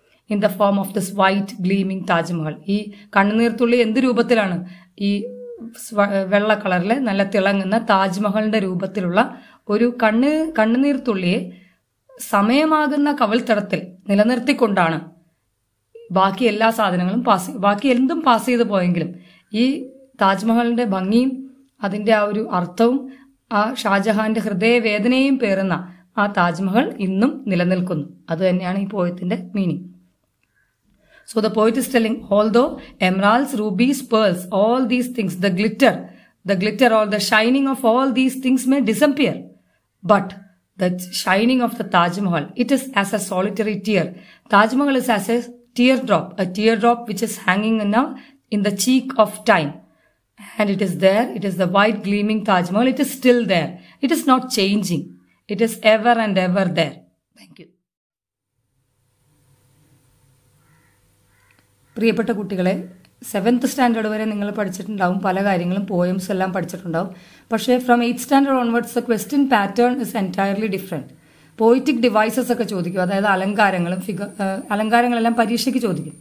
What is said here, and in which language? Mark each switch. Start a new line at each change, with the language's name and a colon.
English: in the form of this white ഗ്ലീമിംഗ് Taj Mahal,
Malayalam: ഈ കണ്ണുനീർത്തുള്ളി എന്ത് രൂപത്തിലാണ്, ഈ വെള്ള കളറിൽ നല്ല തിളങ്ങുന്ന താജ്മഹലിന്റെ രൂപത്തിലുള്ള ഒരു കണ്ണുനീർത്തുള്ളിയെ സമയമാകുന്ന കവിൾത്തടത്തിൽ നിലനിർത്തിക്കൊണ്ടാണ് ബാക്കി എല്ലാ സാധനങ്ങളും ബാക്കി എന്തും പാസ് ചെയ്ത് പോയെങ്കിലും ഈ താജ്മഹലിന്റെ ഭംഗിയും അതിൻ്റെ ആ ഒരു അർത്ഥവും ആ ഷാജഹാന്റെ ഹൃദയവേദനയും പേറുന്ന ആ താജ്മഹൽ ഇന്നും നിലനിൽക്കുന്നു. അത് തന്നെയാണ് ഈ പോയത്തിന്റെ meaning.
English: So the poet is telling, although emeralds, rubies, pearls, all these things, the glitter or the shining of all these things may disappear, but the shining of the Taj Mahal, it is as a solitary tear. Taj Mahal is as a teardrop which is hanging now in the cheek of time. And it is there, it is the white gleaming Taj Mahal, it is still there. It is not changing. It is ever and ever there. Thank you.
Malayalam: പ്രിയപ്പെട്ട കുട്ടികളെ, seventh standard വരെ നിങ്ങൾ പഠിച്ചിട്ടുണ്ടാവും പല കാര്യങ്ങളും, poems എല്ലാം പഠിച്ചിട്ടുണ്ടാവും.
English: പക്ഷേ from eighth standard onwards the question pattern is entirely different.
Malayalam: Poetic devices ഒക്കെ ചോദിക്കും, അതായത് അലങ്കാരങ്ങളും അലങ്കാരങ്ങളെല്ലാം പരീക്ഷയ്ക്ക് ചോദിക്കും.